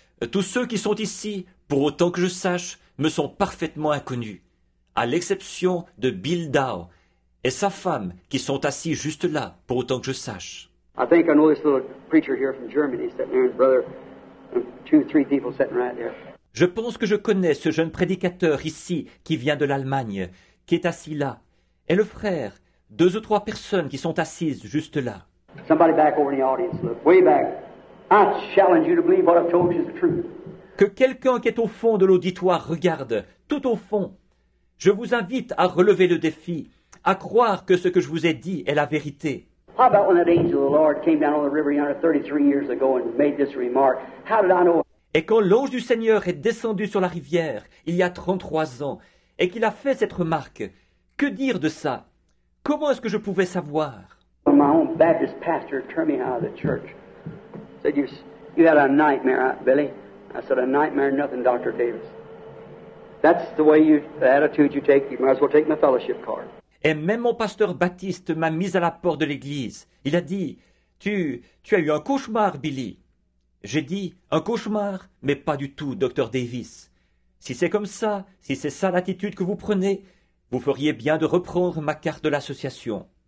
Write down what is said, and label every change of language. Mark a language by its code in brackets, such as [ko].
[fr] Tous ceux qui sont ici, pour autant que je sache, me sont parfaitement inconnus, à l'exception de Bill Dow et sa femme qui sont assis juste là, pour autant que je sache. [en] I think I know this little preacher here from Germany sitting there, and brother, and two, three people sitting right there. [fr] Je pense que je connais ce jeune prédicateur ici qui vient de l'Allemagne, qui est assis là, et le frère, deux ou trois personnes qui sont assises juste là. [en] Somebody back over in the audience, look, way back. I challenge you to believe what I've told you is the truth. [fr] Que quelqu'un qui est au fond de l'auditoire regarde, tout au fond. Je vous invite à relever le défi, à croire que ce que je vous ai dit est la vérité. [en] How about when that angel of the Lord came down on the river yonder 33 years ago and made this remark? How did I know? [fr] Et quand l'ange du Seigneur est descendu sur la rivière il y a 33 ans et qu'il a fait cette remarque, que dire de ça? Comment est-ce que je pouvais savoir? [en] My own Baptist pastor turned me out of the church. He said, you had a nightmare, Billy. I said, a nightmare, nothing, Dr. Davis. That's the way the attitude you take. You might as well take my fellowship card. [fr] Et même mon pasteur Baptiste m'a mis à la porte de l'église. Il a dit, tu as eu un cauchemar, Billy. J'ai dit, un cauchemar, mais pas du tout, Dr. Davis. Si c'est comme ça, si c'est ça l'attitude que vous prenez, vous feriez bien de reprendre ma carte de l'association.